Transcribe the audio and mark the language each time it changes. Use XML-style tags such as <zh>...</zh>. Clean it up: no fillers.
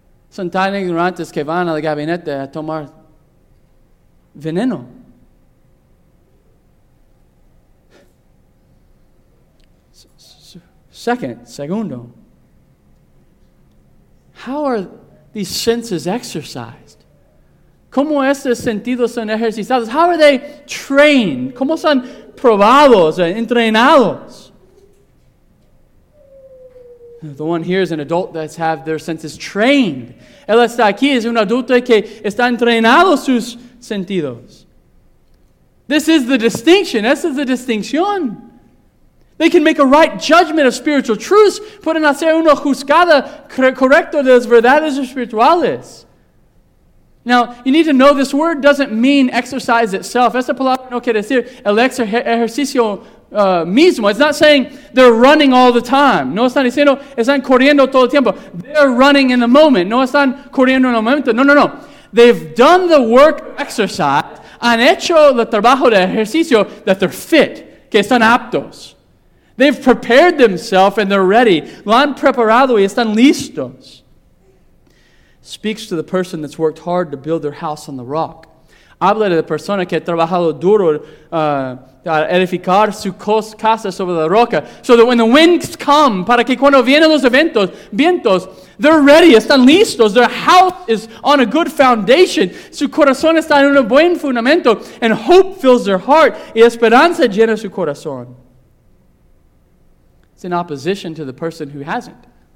<es>Son tan ignorantes que van al gabinete a tomar veneno. Segundo.</es> <en>How are these senses exercised?</en> <es>¿Cómo estos sentidos son ejercitados?</es> <en>How are they trained?</en> <es>¿Cómo son probados, entrenados?</es> <en>The one here is an adult that has their senses trained.</en> <es>Él está aquí, es un adulto que está entrenado sus sentidos.</es> <en>This is the distinction.</en> <es>Esa es la distinción.</es> <en>They can make a right judgment of spiritual truths.</en> <es>Pueden hacer una juzgada correcta de las verdades espirituales.</es> <en>Now, you need to know this word doesn't mean exercise itself.</en> <es>Esa palabra no quiere decir el ejercicio mismo.</es> <en>It's not saying they're running all the time.</en> <es>No están diciendo, están corriendo todo el tiempo.</es> <en>They're running in the moment.</en> <es>No están corriendo en el momento. No.</es> <en>They've done the work exercise.</en> <es>Han hecho el trabajo de ejercicio</es> <en>that they're fit.</en> <es>Que están aptos.</es> <en>They've prepared themselves and they're ready.</en> <es>Lo han preparado y están listos.</es> <en>Speaks to the person that's worked hard to build their house on the rock.</en> <es>Habla de la persona que ha trabajado duro para edificar su casa sobre la roca.</es> <en>So that when the winds come,</en> <es>para que cuando vienen los vientos,</es> <en>they're ready,</en> <es>están listos.</es> <en>Their house is on a good foundation.</en> <es>Su corazón está en un buen fundamento.</es> <en>And hope fills their heart.</en> <es>Y esperanza llena su corazón.</es> <en>It's in opposition to the person who hasn't.</en>